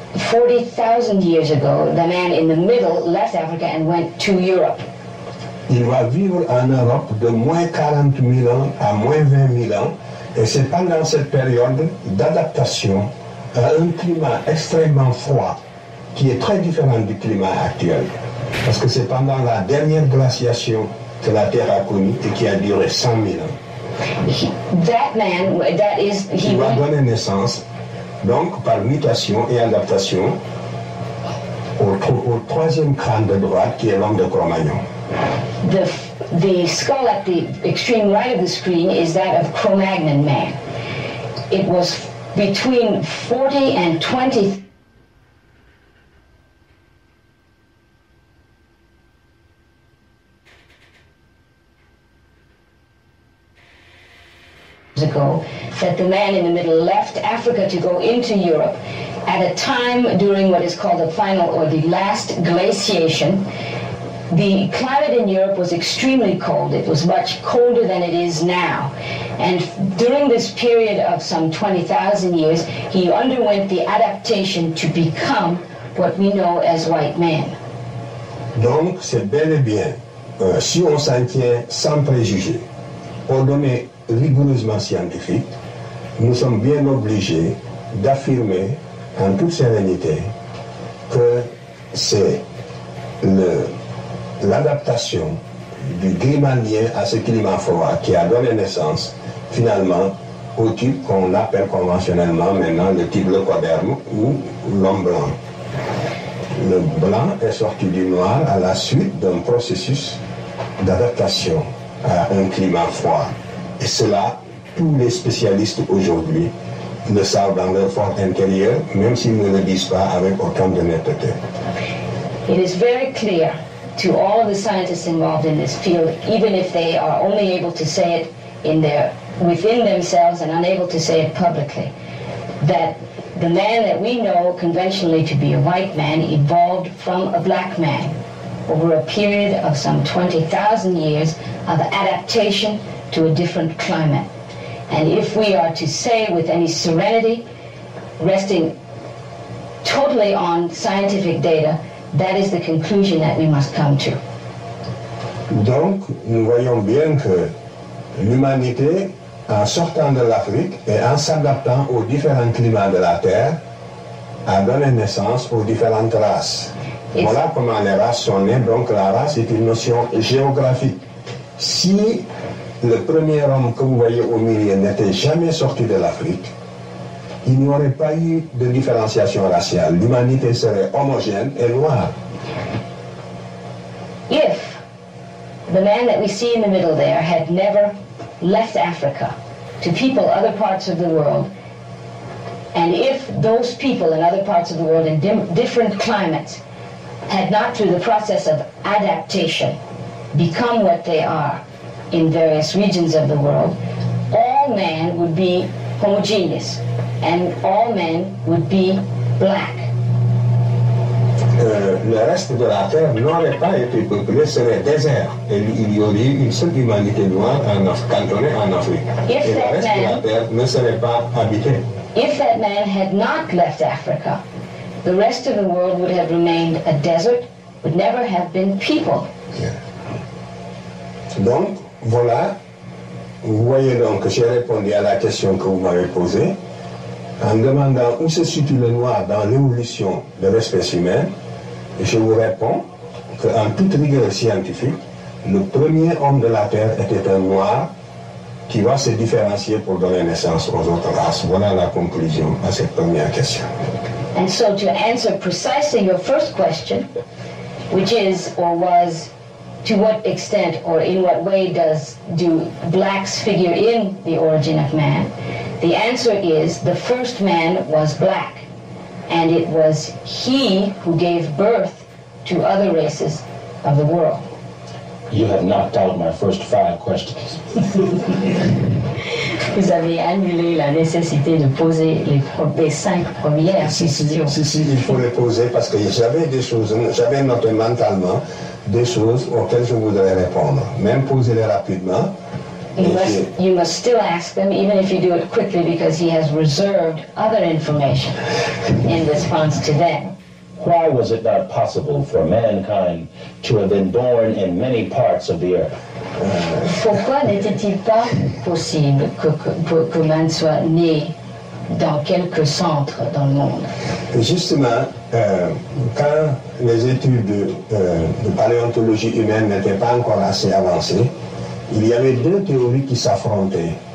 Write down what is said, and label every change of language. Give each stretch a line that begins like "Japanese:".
English: 40,000 years ago, the man in the middle left Africa and went to Europe.
French: Il va vivre en Europe de moins 40,000 ans à moins 20,000 ans, et c'est pendant cette période d'adaptation à un climat extrêmement froid, qui est très différent du climat actuel, parce que c'est pendant la dernière glaciation que la Terre a connue et qui a duré 100,000 ans. Il va donner naissance. Donc, par mutation et adaptation, au troisième crâne de droite, qui est l'homme de Cro-Magnon.
English: The skull at the extreme right of the screen is that of Cro-Magnon man. It was between 40 and 20... ago that the man in the middle left Africa to go into Europe at a time during what is called the final or the last glaciation. The climate in Europe was extremely cold. It was much colder than it is now. And during this period of some 20,000 years, he underwent the adaptation to become what we know as white man.
French: Donc, c'est bel et bien, si on s'en tient sans préjugés, ordonné rigoureusement scientifique, nous sommes bien obligés d'affirmer en toute sérénité que c'est l'adaptation du Grimaldien à ce climat froid qui a donné naissance finalement au type qu'on appelle conventionnellement maintenant le type leucoderme ou l'homme blanc. Le blanc est sorti du noir à la suite d'un processus d'adaptation à un climat froid. Et cela, tous les spécialistes aujourd'hui le savent dans leur fort intérieur, même s'ils ne le disent pas avec autant de netteté.
English: It is very clear to all of the scientists involved in this field, even if they are only able to say it within themselves and unable to say it publicly, that the man that we know conventionally to be a white man evolved from a black man over a period of some 20,000 years of adaptation to a different climate. And if we are to say with any serenity, resting totally on scientific data, that is the conclusion that we must come to.
French: Donc, nous voyons bien que l'humanité en sortant de l'Afrique et en s'adaptant aux différents climats de la Terre, a donné naissance aux différentes races. Voilà comment les races sont nées. Donc la race est une notion géographique. Si le premier homme que vous voyez au milieu n'était jamais sorti de l'Afrique, il n'y aurait pas eu de différenciation raciale. L'humanité serait homogène et noire.
English: If the man that we see in the middle there had never left Africa to people other parts of the world, and if those people in other parts of the world in different climates had not, through the process of adaptation, become what they are in various regions of the world, all man would be homogeneous, and all men would be black.
French: Le reste de la Terre n'aurait pas été peuplé, serait désert. Et il y aurait eu une seule humanité noire cantonnée en Afrique.
English: If
French: et le reste
English: man,
French: de la Terre ne serait pas habité.
English: If that man had not left Africa, the rest of the world would have remained a desert, would never have been peopled.
French: Yeah. Donc, voilà. Vous voyez donc que j'ai répondu à la question que vous m'avez posée. En demandant où se situe le noir dans l'évolution de l'espèce humaine, je vous réponds qu'en toute rigueur scientifique, le premier homme de la Terre était un noir qui va se différencier pour donner naissance aux autres races. Voilà la conclusion à cette première question.
English: And so to answer precisely your first question, which is or was, to what extent or in what way do blacks figure in the origin of man? The answer is, the first man was black, and it was he who gave birth to other races of the world. You have knocked out my first five questions.
French: Vous avez annulé la nécessité de poser les cinq premières questions. Si, il faut les poser parce que j'avais des choses, j'avais noté mentalement des choses auxquelles je voudrais répondre, même poser-les rapidement.
English: You must still ask them, even if you do it quickly, because he has reserved other information in response to them. Why was it not possible for mankind to have been born in many parts of the earth?
French: Pourquoi n'était-il pas possible que man soit né dans quelques centres dans le monde? Justement, quand les études de paléontologie humaine n'étaient pas encore assez avancées, il y avait deux théories qui s'affrontaient.